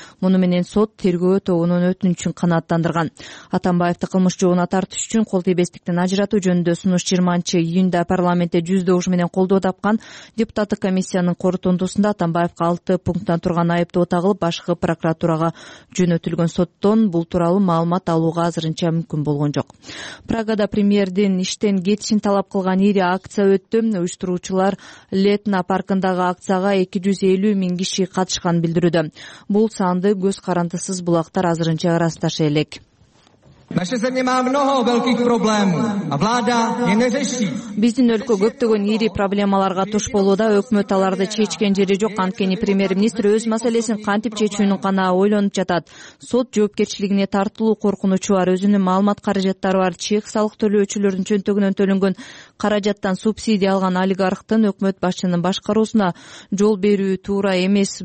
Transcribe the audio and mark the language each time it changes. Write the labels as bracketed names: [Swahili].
[Kyrgyz] Муну менен сот тергөө тобунун өтүнүчүн канааттандырган. Атамбаевди кылмыш жообуна тартыш үчүн кол тийбестиктен ажыратуу жөнүндө сунуш 20-июнда парламентте 100% менен колдоо тапкан депутаттык комиссиянын корутундусунда Атамбаевга 6 пункттан турган айыптоо тагылып, башкы прокуратурага жөнөтүлгөн. Соттон бул тууралуу маалымат алууга азырынча мүмкүн болгон жок. Прагада премьердин иштен кетишин талап кылган ири акция өттү. Уюштуруучулар Летна паркындагы акцияга 250,000 киши катышканын билдирүүдө. Бул санды көз карандысыз булактар азырынча ырасташа элек. [Russian] Наша земля имеет много больших проблем, а влада не решит. [Kyrgyz] Биздин өлкө көптөгөн ири проблемаларга туш болууда, өкмөт аларды чечкен жери жок. Анткени премьер-министр өз маселесин кантип чечүүнүн гана ойлонуп жатат. Сот жоопкерчилигине тартылуу коркунучу бар, өзүнүн маалымат каражаттары бар. Чек салык төлөөчүлөрдүн чөнтөгүнөн төлөнгөн каражаттан субсидия алган олигархтын өкмөт башчынын башкаруусуна жол берүү туура эмес.